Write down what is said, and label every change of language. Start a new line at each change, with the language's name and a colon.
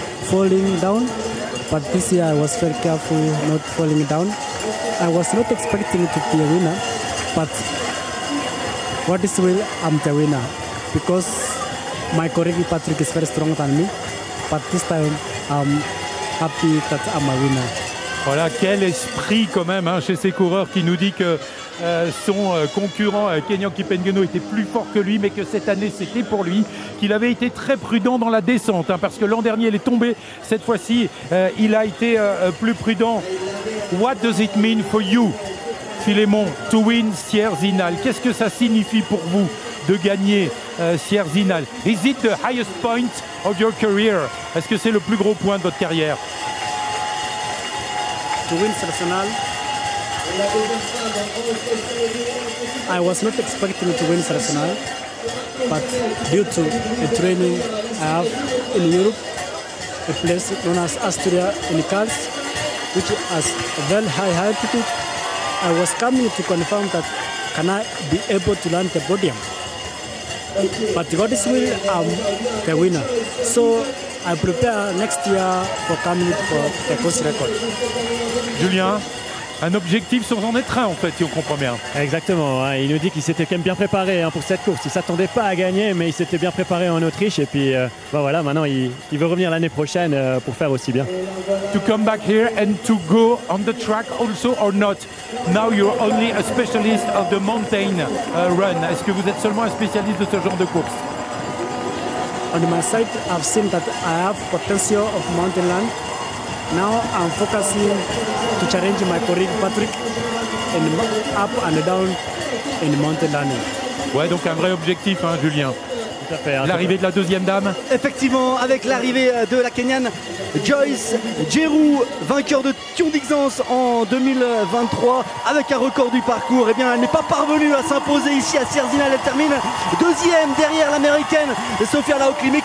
English: Falling down, but this year I was very careful not falling down. I was not expecting to be a winner, but what is real, I'm the winner because my colleague Patrick is very strong than me, but this time I'm happy that I'm a winner.
French: Voilà, quel esprit quand même hein, chez ces coureurs qui nous dit que son concurrent Kenyon Kipengeno était plus fort que lui, mais que cette année c'était pour lui, qu'il avait été très prudent dans la descente hein, parce que l'an dernier il est tombé, cette fois-ci il a été plus prudent.
English: What does it mean for you, Philémon, to win Sierre-Zinal?
French: Qu'est-ce que ça signifie pour vous de gagner Sierre-Zinal?
English: Is it the highest point of your career?
French: Est-ce que c'est le plus gros point de votre carrière?
English: To win Sierre-Zinal, I was not expecting to win Sierre-Zinal, but due to the training I have in Europe, a place known as Asturias in Cals, which has a very high altitude, I was coming to confirm that can I be able to land the podium. But God is will, I'm the winner. So I prepare next year for coming for the course record.
French: Julien, un objectif sans en être un, en fait, si on comprend bien. Exactement. Hein. Il nous dit qu'il s'était quand même bien préparé hein, pour cette course. Il ne s'attendait pas à gagner, mais il s'était bien préparé en Autriche. Et puis, ben voilà, maintenant, il veut revenir l'année prochaine pour faire aussi bien.
English: To come back here and to go on the track also or not? Now you're only a specialist of the mountain run.
French: Est-ce que vous êtes seulement un spécialiste de ce genre de course?
English: On my side, I've seen that I have potential of mountain run. Now I'm focusing to challenge my colleague Patrick in up and down in mountain running.
French: Ouais, donc un vrai objectif, hein, Julien. Tout à fait. L'arrivée de la deuxième dame. Effectivement, avec l'arrivée de la Kenyane Joyce Jeru, vainqueur de Thion-d'Exance en 2023, avec un record du parcours. Eh bien, elle n'est pas parvenue à s'imposer ici à Sierre-Zinal. Elle termine deuxième derrière l'américaine Sophia Loughley.